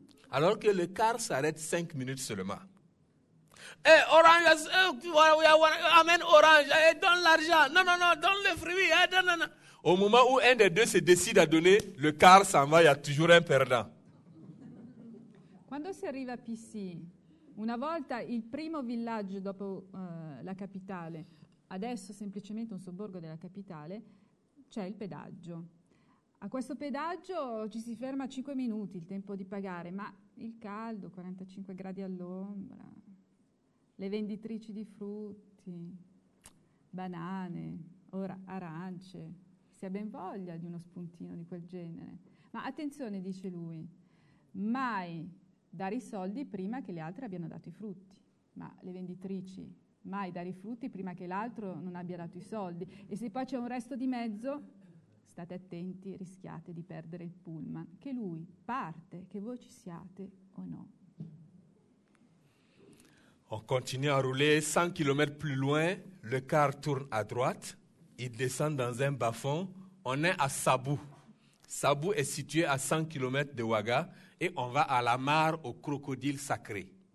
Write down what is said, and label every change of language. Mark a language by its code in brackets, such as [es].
[fr] Alors que le car s'arrête 5 minutes seulement. Hey, orange, amène orange, hey, donne l'argent. Non, donne le fruit. Hey, non. Au moment où un des deux se décide à donner, le car s'en va, il y a toujours un perdant. [it] Quando si arrive a Pissi, una volta il primo villaggio dopo la capitale, adesso semplicemente un sobborgo della capitale, c'è il pedaggio. A questo pedaggio ci si ferma 5 minuti, il tempo di pagare, ma il caldo, 45 gradi all'ombra. Le venditrici di frutti, banane, ora arance, si ha ben voglia di uno spuntino di quel genere. Ma attenzione, dice lui, mai dare i soldi prima che le altre abbiano dato i frutti. Ma le venditrici, mai dare i frutti prima che l'altro non abbia dato i soldi. E se poi c'è un resto di mezzo, state attenti, rischiate di perdere il pullman. Che lui parte, che voi ci siate o no. [fr] On continue à rouler 100 km plus loin, le car tourne à droite, il descend dans un bas-fond, on est à Sabou. Sabou est situé à 100 km de Ouaga et on va à la mare au crocodile sacré.